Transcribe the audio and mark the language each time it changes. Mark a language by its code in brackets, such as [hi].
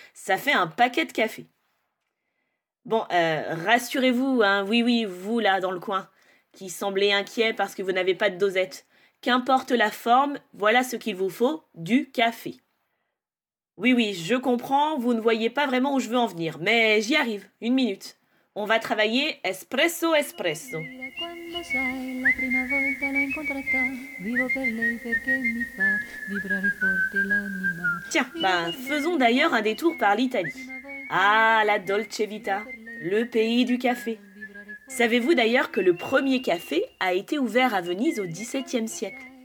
[fr] Ça fait un paquet de café. Rassurez-vous, hein. Oui, vous là, dans le coin, qui semblez inquiet parce que vous n'avez pas de dosettes. Qu'importe la forme, voilà ce qu'il vous faut, du café. Oui, je comprends, vous ne voyez pas vraiment où je veux en venir, mais j'y arrive, une minute. On va travailler espresso espresso. [it] La prima volta l'ho incontrata, vivo per lei perché mi fa vibrare forte l'anima. [fr] Faisons d'ailleurs un détour par l'Italie. Ah, la Dolce Vita, le pays du café. Savez-vous d'ailleurs que le premier café a été ouvert à Venise au XVIIe siècle?